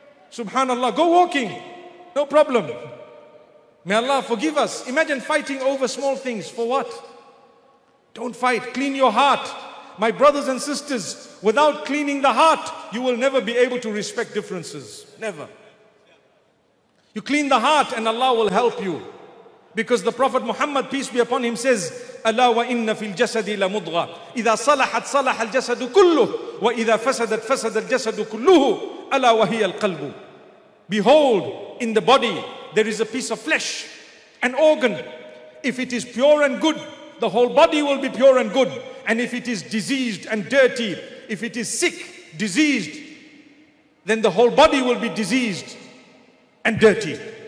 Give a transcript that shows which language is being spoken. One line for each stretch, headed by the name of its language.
English: Subhanallah, go walking. No problem. May Allah forgive us. Imagine fighting over small things. For what? Don't fight. Clean your heart. My brothers and sisters, without cleaning the heart, you will never be able to respect differences. Never. You clean the heart and Allah will help you. Because the Prophet Muhammad, peace be upon him, says,
Arabic: أَلَا وَإِنَّ فِي الْجَسَدِ لَمُضْغَةٌ إِذَا صَلَحَتْ صَلَحَ الْجَسَدُ كُلُّهُ وَإِذَا فَسَدَتْ فَسَدَ الْجَسَدُ كُلُّهُ أَلَا وَهِيَ الْقَلْبُ.
English: Behold, in the body, there is a piece of flesh, an organ. If it is pure and good, the whole body will be pure and good. And if it is diseased and dirty, if it is sick, diseased, then the whole body will be diseased and dirty.